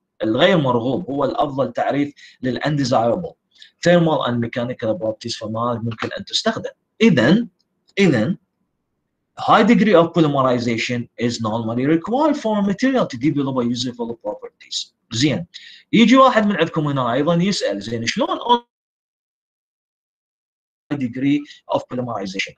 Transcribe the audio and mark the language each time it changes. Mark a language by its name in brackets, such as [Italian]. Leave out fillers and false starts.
[Arabic] الغير مرغوب هو الأفضل تعريف لل [English] undesirable thermal and mechanical properties, [Arabic] فما ممكن أن تستخدم. [English] إذا high degree of polymerization is normally required for a material to develop a useful property. properties. [Arabic] زين يجي واحد من عندكم هنا ايضا يسال زين شلون degree of polymerization.